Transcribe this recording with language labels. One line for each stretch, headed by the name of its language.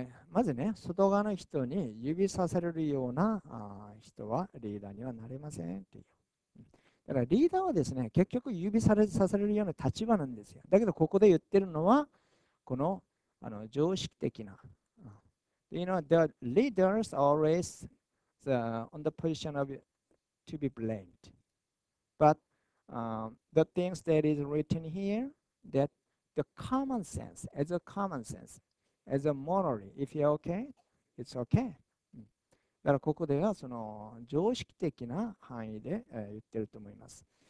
Japanese: まずね、外側の人に指さされるような人はリーダーにはなれませんっていう。だからリーダーはですね、結局指さされるような立場なんですよ。だけどここで言ってるのは、この常識的な。
English: You know, the leaders always on the position of to be blamed. But the things that is written here, that the common sense, as a common sense, as a morally, if you're okay, it's okay.
Japanese: だからここではその常識的な範囲で言ってると思います。